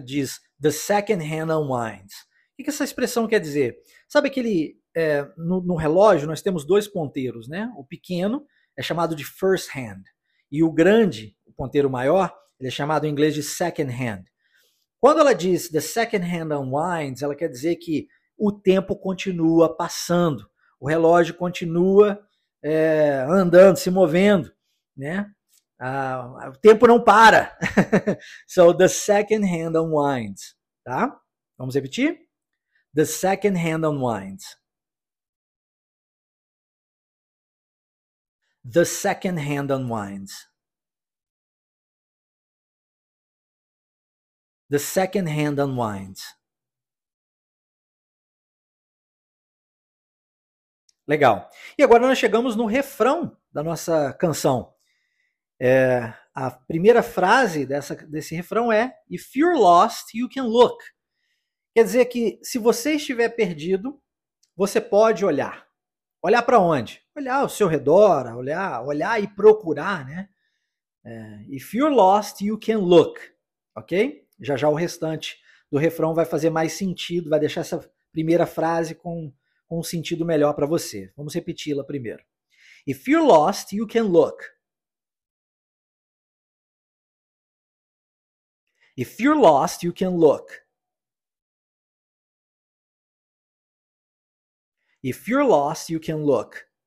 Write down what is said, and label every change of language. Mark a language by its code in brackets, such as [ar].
[en] Diz the second hand unwinds. [pt] O que essa expressão quer dizer? Sabe aquele no relógio nós temos dois ponteiros, né? O pequeno é chamado de first hand e o grande, o ponteiro maior, ele é chamado em inglês de second hand. Quando ela diz [en] the second hand unwinds, [pt] ela quer dizer que o tempo continua passando, o relógio continua andando, se movendo, né? O tempo não para. [en] So, the second hand unwinds, [pt] tá? Vamos repetir? [en] The second hand unwinds. The second hand unwinds. The second hand unwinds. [pt] Legal. E agora nós chegamos no refrão da nossa canção. A primeira frase desse refrão é [en] If you're lost, you can look. [pt] Quer dizer que se você estiver perdido, você pode olhar. Olhar para onde? Olhar ao seu redor, olhar e procurar, né? [en] If you're lost, you can look. Ok? [pt] Já o restante do refrão vai fazer mais sentido, vai deixar essa primeira frase com um sentido melhor para você. Vamos repeti-la primeiro. [en] If you're lost, you can look. If you're lost, you can look. If you're lost, you can look.